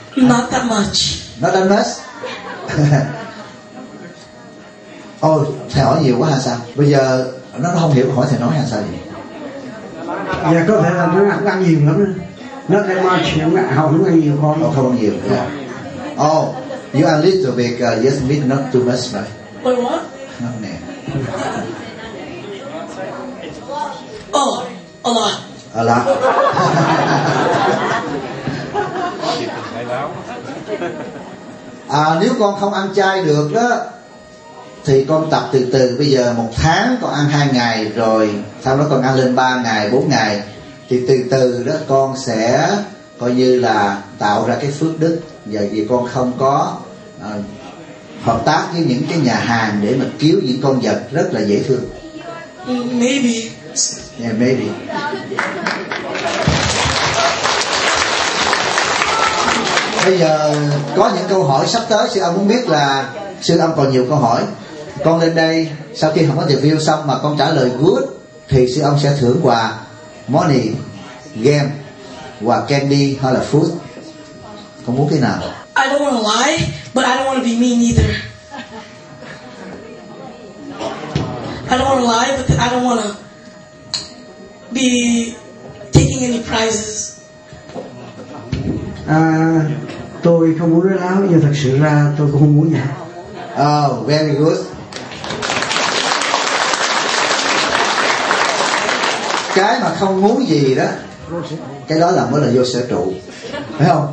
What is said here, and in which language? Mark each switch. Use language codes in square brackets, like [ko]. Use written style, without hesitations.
[en] not that much. Not that much. [vi] Ôi, thầy hỏi nhiều quá hả sao? Bây giờ nó không hiểu hỏi thầy nói hay sao vậy? Dạ có thể là nó không ăn nhiều lắm. Nó thêm mà chịu ngại, không ăn nhiều con. Không ăn nhiều. Ồ, [en] You are a little bit, yes, meat not too much, right? But what? Not me. Oh, a lot. A lot. [vi] nếu con không ăn chay được đó, thì con tập từ từ. Bây giờ một tháng con ăn 2 ngày rồi, sau đó con ăn lên 3 ngày, 4 ngày, thì từ từ đó con sẽ coi như là tạo ra cái phước đức. Giờ vì con không có hợp tác với những cái nhà hàng để mà cứu những con vật rất là dễ thương. [en] Maybe. Yeah, maybe. [vi] Bây giờ có những câu hỏi sắp tới, sư ông muốn biết là sư ông còn nhiều câu hỏi. Con lên đây sau khi không có review xong mà con trả lời [en] good [vi] thì sư ông sẽ thưởng quà [en] money, game, [vi] quà [en] candy [vi] hay là [en] food. [vi] Con muốn cái nào? [en] I don't want to lie, but I don't want to be mean either. I don't want to lie, but I don't want to be taking any prizes. [vi] Tôi không muốn nói láo, nhưng thật sự ra tôi cũng không muốn nhận. [en] Oh, very good. [vi] Cái mà không muốn gì đó, cái đó là mới là vô sở trụ, phải không?